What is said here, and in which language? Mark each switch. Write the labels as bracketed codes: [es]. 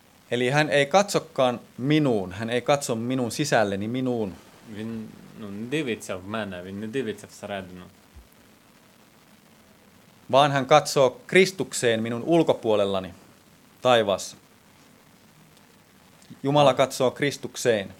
[fi] Eli hän ei katsokaan minuun, hän ei katso minun sisälleni minuun. [uk] Він ну не дивиться в мене, він не дивиться всередину. [fi] Vaan hän katsoo Kristukseen minun ulkopuolellani taivaassa. Jumala katsoo Kristukseen.